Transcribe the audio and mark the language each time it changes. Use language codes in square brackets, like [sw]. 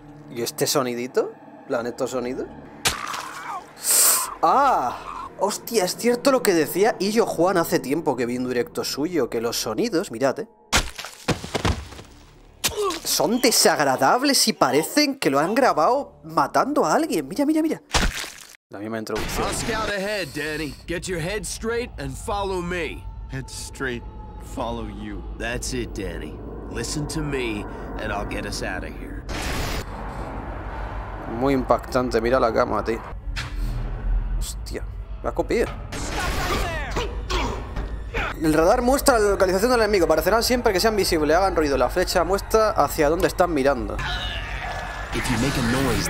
[es] ¿Y este sonidito? ¿Planetos sonidos? ¡Ah! Hostia, es cierto lo que decía Illo Juan hace tiempo que vi un directo suyo, que los sonidos, mirad, son desagradables y parecen que lo han grabado matando a alguien. Mira, mira, mira. La misma introducción. [en] I'll scout ahead, Danny. Get your head straight and follow me. Head straight, follow you. That's it, Danny. Listen to me and I'll get us out of here. [es] Muy impactante, mira la cama, tío. Hostia, la copia. El radar muestra la localización del enemigo. Parecerán siempre que sean visibles. Hagan ruido. La flecha muestra hacia dónde están mirando. [en] If you make a noise,